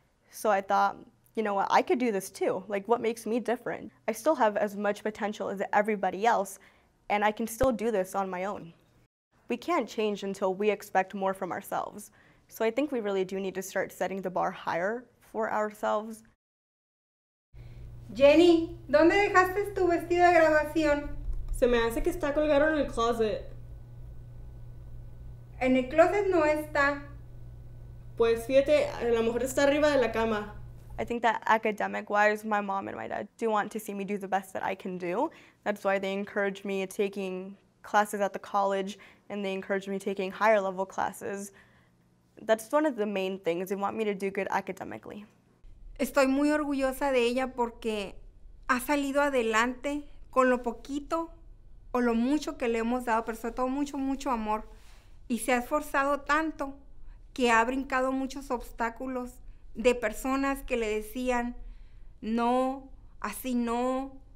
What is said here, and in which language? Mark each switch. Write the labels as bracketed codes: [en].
[en] So I thought, you know what, I could do this too. Like, what makes me different? I still have as much potential as everybody else, and I can still do this on my own. We can't change until we expect more from ourselves. So I think we really do need to start setting the bar higher for ourselves. [es] Jenny, ¿dónde dejaste tu vestido de graduación? Se me hace que está colgado en el closet. En el closet no está. Pues fíjate, a lo mejor está arriba de la cama. [en] I think that academic-wise, my mom and my dad do want to see me do the best that I can do. That's why they encourage me taking classes at the college, and they encourage me taking higher level classes. That's one of the main things. They want me to do good academically. [es] Estoy muy orgullosa de ella porque ha salido adelante con lo poquito o lo mucho que le hemos dado, pero sobre todo mucho, mucho amor. Y se ha esforzado tanto que ha brincado muchos obstáculos de personas que le decían, no, así no.